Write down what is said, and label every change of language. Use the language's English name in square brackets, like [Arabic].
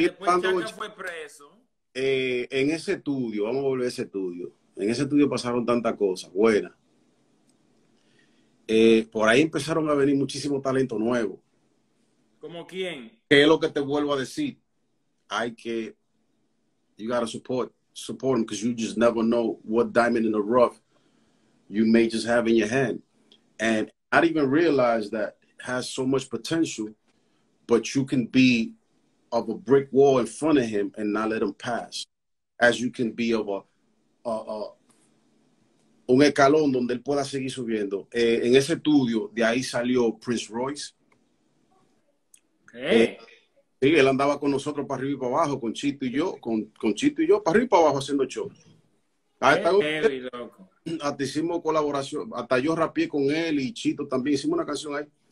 [Spanish] después Chaka fue preso. En ese estudio, vamos a volver a ese estudio. En ese estudio pasaron tantas cosas buenas. Por ahí empezaron a venir muchísimo talento nuevo. ¿Como quién? ¿Qué es lo que te vuelvo a decir? Hay que... [English] You gotta support them, because you just never know what diamond in the rough you may just have in your hand. And I didn't even realize that has so much potential, but you can be of a brick wall in front of him and not let him pass, as you can be of [Spanish] un escalón donde él pueda seguir subiendo. En ese estudio, de ahí salió Prince Royce. [English] Okay. [Spanish] Sí, él andaba con nosotros para arriba y para abajo, con Chito y yo, con Chito y yo, para arriba y para abajo haciendo shows. Hasta hicimos colaboración, hasta yo rapié con él y Chito también, hicimos una canción ahí.